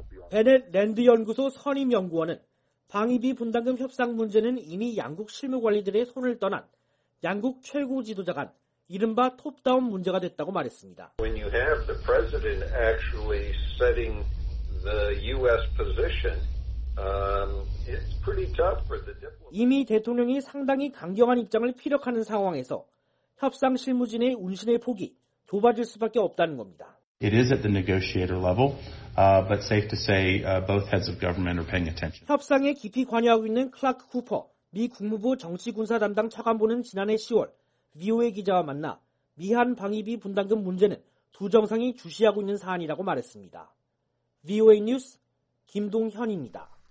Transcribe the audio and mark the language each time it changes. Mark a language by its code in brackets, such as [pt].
[ko] 베넷 랜드 연구소 선임 연구원은 방위비 분담금 협상 문제는 이미 양국 실무 관리들의 손을 떠난 양국 최고 지도자 간 이른바 톱다운 문제가 됐다고 말했습니다. [en] When you have the president actually setting the U.S. position, it's pretty tough for the diplomats. [ko] 이미 대통령이 상당히 강경한 입장을 피력하는 상황에서 협상 실무진의 운신의 폭이 좁아질 수밖에 없다는 겁니다. [en] It is at the negotiator level, but safe to say both heads of government are paying attention. [ko] 협상에 깊이 관여하고 있는 클라크 쿠퍼 미 국무부 정치군사 담당 차관보는 지난해 10월 VOA 기자와 만나 미한 방위비 분담금 문제는 두 정상이 주시하고 있는 사안이라고 말했습니다. VOA 뉴스 김동현입니다.